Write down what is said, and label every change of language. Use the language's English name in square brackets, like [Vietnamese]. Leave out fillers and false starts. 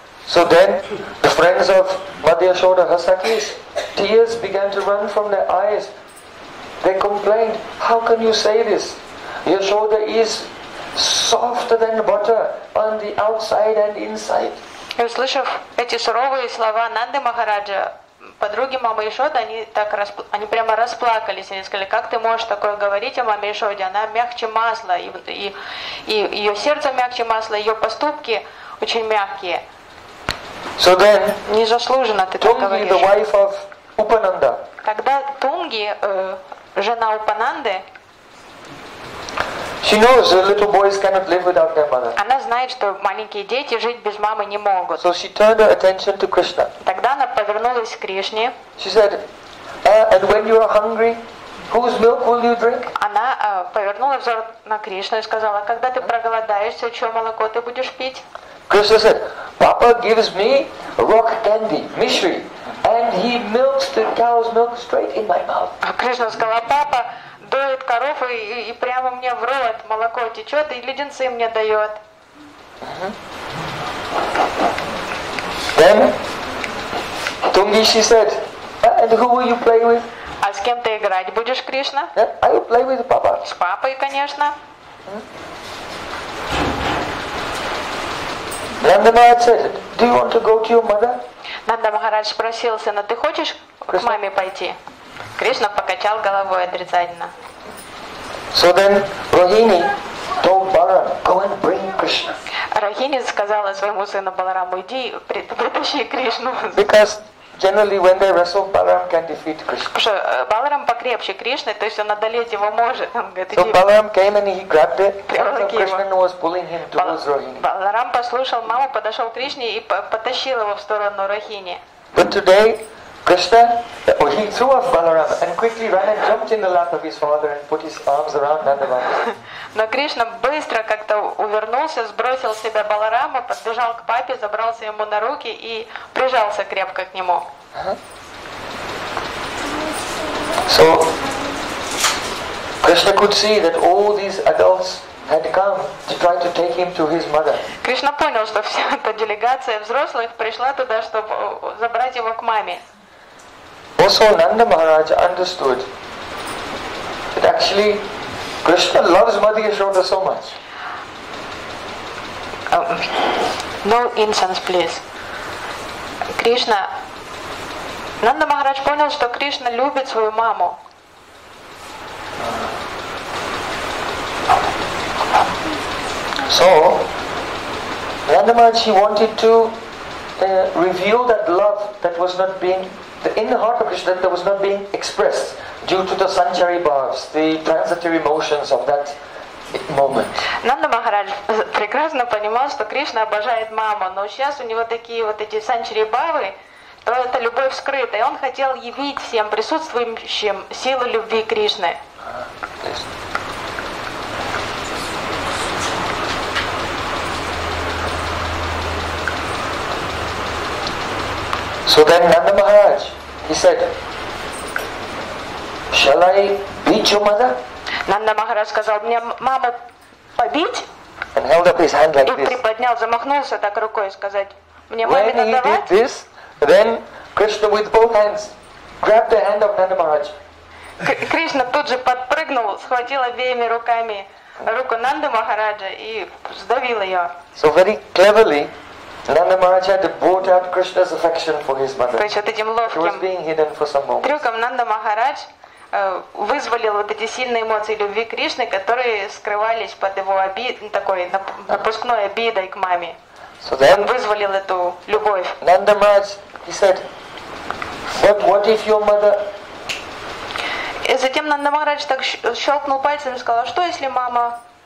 [English] So then, the friends of Madhya Shoda Hasakis, tears began to run from their eyes. They complained, how can you say this? Yashoda is softer than butter on the outside and inside. [Russian] И услышав эти суровые слова Нанды Махараджа, подруги мамы Яшоды, они прямо расплакались. Они сказали, как ты можешь такое говорить о маме Яшоде? Она мягче масла, и ее сердце мягче масла, ее поступки очень мягкие. [English] So then, [Russian] незаслуженно ты [English] Tungi, [Russian] так говоришь. [English] The wife of Upananda, [Russian] тогда Тунги, жена Упананды, [English] she knows the little boys cannot live without their mother. [Russian] Она знает, что маленькие дети жить без мамы не могут. [English] So she turned her attention to Krishna. [Russian] Тогда она повернулась к Кришне. [English] She said, and when you are hungry, whose milk will you drink? [Russian] Она повернула взор на Кришну и сказала, когда ты проголодаешься, чье молоко ты будешь пить? [English] Krishna said, Papa gives me rock candy, Mishri, and he milks the cow's milk straight in my mouth. [Russian] А Кришна сказала, папа дует коров и прямо мне в рот молоко течет и леденцы мне дает. [English] Then Tungi, she said, and who will you play with? [Russian] А с кем ты играть будешь, Кришна? [English] Yeah, I will play with Papa. [Russian] С папой, конечно. [English] Nanda Maharaj said, do you want to go to your mother? [Russian] Нанда Махарадж спросил сына, ты хочешь Krishna? К маме пойти? Кришна покачал головой отрицательно. [English] So then Rohini told Balaram, go and bring Krishna. [Russian] Рохини сказала своему сыну Балараму, иди притащи Кришну. [English] Because generally when they wrestle, Balaram can defeat Krishna. [Russian] Потому что Баларам покрепче Кришны, то есть он одолеть его может. [English] So Balaram came and he grabbed it. Krishna was pulling him towards Rohini. [Russian] Баларам послушал маму, подошел к Кришне и потащил его в сторону Рохини. [English] But today Krishna, he threw off Balaram and quickly ran and jumped in the lap of his father and put his arms around Nanda Maharaj. [Russian] Но Кришна быстро как-то увернулся, сбросил с себя Баларама, подбежал к папе, забрался ему на руки и прижался крепко к нему. [English] So Krishna could see that all these adults had come to try to take him to his mother. [Russian] Кришна понял, что вся эта делегация взрослых пришла туда, чтобы забрать его к маме. [English] Also, Nanda Maharaj understood that actually Krishna loves Madhya Shoda so much. No incense, please. Krishna. [Russian] Nanda Maharaj понял, что Кришна любит свою маму. [English] So, Nanda Maharaj, he wanted to reveal that love that was not being in the heart of Krishna that was not being expressed due to the sanchari bhavs, the transitory emotions of that moment. [Russian] Нанда Махарадж прекрасно понимал, что Кришна обожает маму, но сейчас у него такие вот эти санчари бхавы, то эта любовь скрыта, и он хотел явить всем присутствующим силу любви Кришны. [English] So then Nanda Maharaj, he said, shall I beat your mother? [Russian] Nanda Maharaj сказал, мне маму побить? [English] And held up his hand like this. [Russian] И приподнял, замахнулся так рукой, сказать, мне маме надавать? [English] When he did this, then Krishna with both hands grabbed the hand of Nanda Maharaj. [Russian] Кришна тут же подпрыгнул, схватил обеими руками руку Нанда Махараджа и сдавил ее. [English] So very cleverly, Nanda Maharaj had brought out Krishna's affection for his mother. [Russian] То есть вот этим ловким трюком Нанда Махарадж вызволил вот эти сильные эмоции любви Кришны, которые скрывались под его такой напускной обидой к маме. [English] So then, [Russian] он вызволил эту любовь. [English] Nanda Maharaj, he said, but what if your mother? [Russian] И затем Нанда Махарадж так щелкнул пальцем и сказал, а что если мама?